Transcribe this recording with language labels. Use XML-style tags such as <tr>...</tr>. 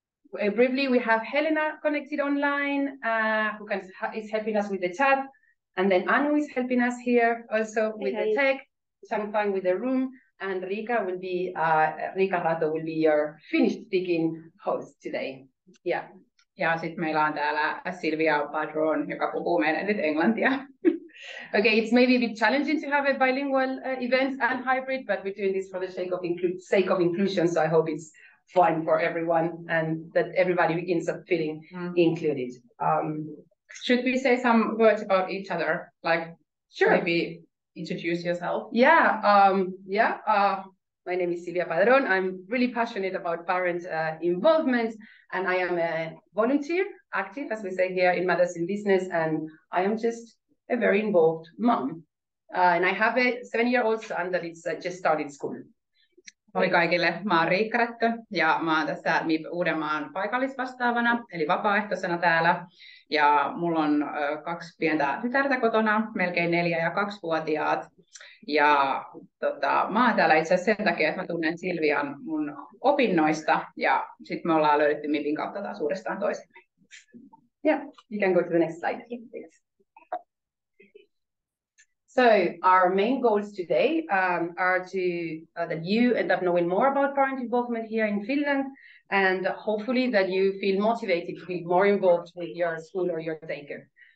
<en>Briefly, we have Helena connected online, who can is helping us with the chat, and then Anu is helping us here also with the tech, Changfang with the room, and Riika Rato will be your Finnish speaking host today. Yeah.</en> <fi>Ja sitten meillä on täällä Silvia Padron, joka puhuu meille nyt englantia.</fi> <en>Okay, it's maybe a bit challenging to have a bilingual event and hybrid, but we're doing this for the sake of inclusion, so I hope it's fine for everyone and that everybody ends up feeling included. Should we say some words about each other? Like, sure. Maybe introduce yourself? Yeah, my name is Silvia Padron. I'm really passionate about parent involvement, and I am a volunteer, active, as we say here, in Mothers in Business, and I am just a very involved mom. And I have a 7-year-old son that is just started school.</en> <fi>Moi kaikille, mä oon Riikka Rättö, ja mä oon tässä MiB Uudenmaan paikallisvastaavana, eli vapaaehtoisena täällä. Ja mulla on kaksi pientä tytärtä kotona, melkein 4- ja 2-vuotiaat. Ja mä oon täällä itse asiassa sen takia, että mä tunnen Silvian mun opinnoista, ja sit me ollaan löydetty MiBin kautta taas uudestaan toisemme.</fi> <en>Yeah, you can go to the next slide. Yes. So our main goals today are to that you end up knowing more about parent involvement here in Finland, and hopefully that you feel motivated to be more involved with your school or your daycare.</en>